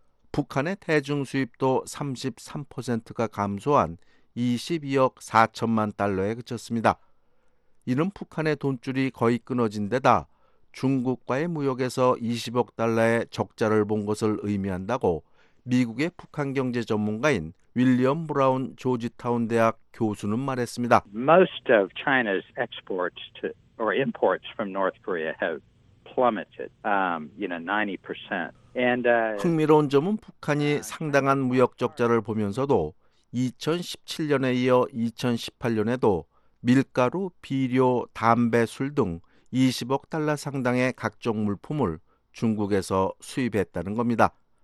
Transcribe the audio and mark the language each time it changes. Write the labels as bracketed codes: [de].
[ko] 북한의 대중 수입도 33%가 감소한 22억 4천만 달러에 그쳤습니다. 이는 북한의 돈줄이 거의 끊어진 데다 중국과의 무역에서 20억 달러의 적자를 본 것을 의미한다고 미국의 북한 경제 전문가인 윌리엄 브라운 조지타운 대학 교수는 말했습니다. [en] Most of China's exports to or imports from North Korea have plummeted, you know, 90%. [ko] 흥미로운 점은 북한이 상당한 무역 적자를 보면서도 2017년에 이어 2018년에도 밀가루, 비료, 담배, 술 등 20억 달러 상당의 각종 물품을 중국에서 수입했다는 겁니다.